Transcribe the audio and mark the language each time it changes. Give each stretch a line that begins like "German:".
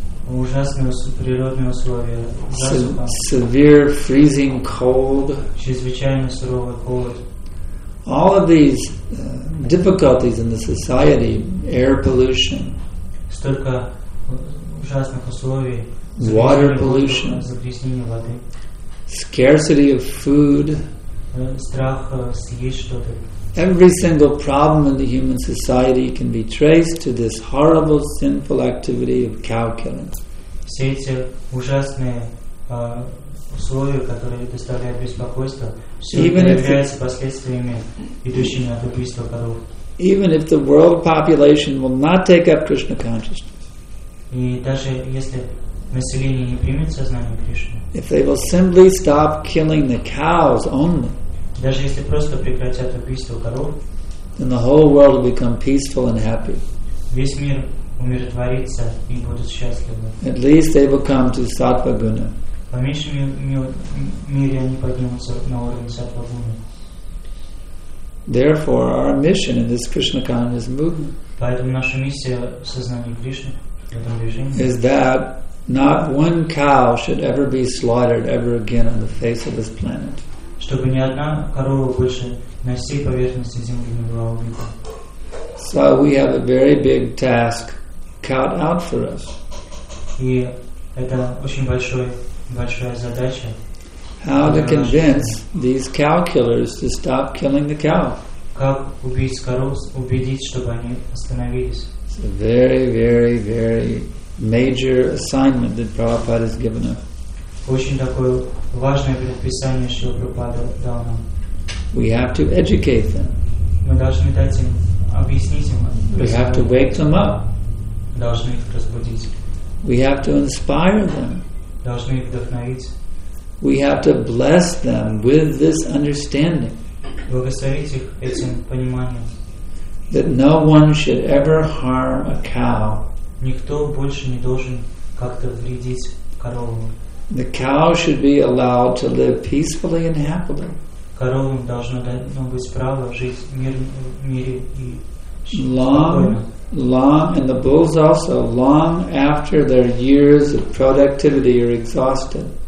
Russian: ужасные природные условия,
English: severe freezing cold,
Russian: чрезвычайно суровый холод.
English: All of these difficulties in the society, air pollution,
Russian: столько ужасных условий,
English: water pollution,
Russian: загрязнение воды,
English: scarcity of food,
Russian: страх съесть что-то.
English: Every single problem in the human society can be traced to this horrible sinful activity of cow killing.
Russian: Все эти ужасные условия, которые доставляют беспокойство, все являются последствиями, идущими от убийства коров.
English: Even if the world population will not take up Krishna consciousness,
Russian: и даже если население не примет сознание Кришны,
English: if they will simply stop killing the cows only,
Russian: даже если просто прекратят убийство коров,
English: then the whole world will become peaceful and happy.
Russian: Весь мир умиротворится и будет счастлив.
English: At least they will come to sattva guna.
Russian: По меньшей мере они поднимутся на уровень sattva guna.
English: Therefore, our mission in this Krishna consciousness movement.
Russian: Поэтому наша миссия в сознании Кришны в этом движении.
English: Is that not one cow should ever be slaughtered ever again on the face of this planet.
Russian: Чтобы ни одна корова больше на всей поверхности Земли не была убита.
English: So we have a very big task cut out for us.
Russian: И это очень большая задача.
English: How to convince these cow killers to stop killing the cow?
Russian: Как убедить коров, убедить, чтобы они остановились?
English: It's a very, very, very major assignment that Prabhupada has given us.
Russian: Очень такое важное предписание, что Прабхупада дал нам.
English: We have to educate them.
Russian: Мы должны дать им, объяснить им.
English: We have to wake them up.
Russian: Должны их разбудить.
English: We have to inspire them.
Russian: Должны их вдохновить.
English: We have to bless them with this understanding.
Russian: Благословить их этим пониманием.
English: That no one should ever harm a cow.
Russian: Никто больше не должен как-то вредить коровам.
English: The cow should be allowed to live peacefully and happily.
Russian: Коровам должно дано быть право жить в мире и
English: long, and the bulls also, long after their years of productivity are exhausted.